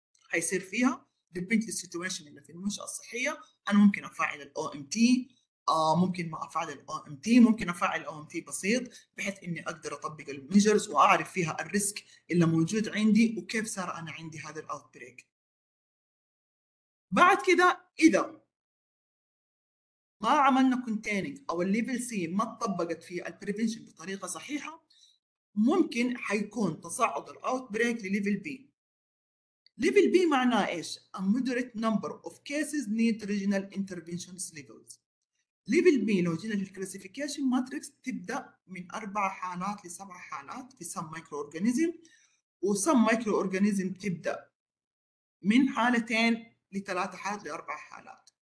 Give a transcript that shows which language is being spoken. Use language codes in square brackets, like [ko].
[ar] هيصير فيها depending the situation اللي في المنشأة الصحية، أنا ممكن أفعل الـ OMT، ممكن ما أفعل الـ OMT، ممكن أفعل الـ OMT بسيط بحيث إني أقدر أطبق الـ measures وأعرف فيها الريسك اللي موجود عندي وكيف صار أنا عندي هذا الـ outbreak. بعد كده إذا ما عملنا containing أو الـ level C ما تطبقت في الـ prevention بطريقة صحيحة، ممكن حيكون تصاعد الـ outbreak لـ level B. [en] Level B [ar] معناه إيش؟ [en] A moderate number of cases need regional interventions levels. [ar] Level B لو جينا للclassification matrix تبدأ من 4 حالات لسبع حالات في [en] some microorganism، [ar] و some microorganism تبدأ من حالتين ل3 حالات ل4 حالات.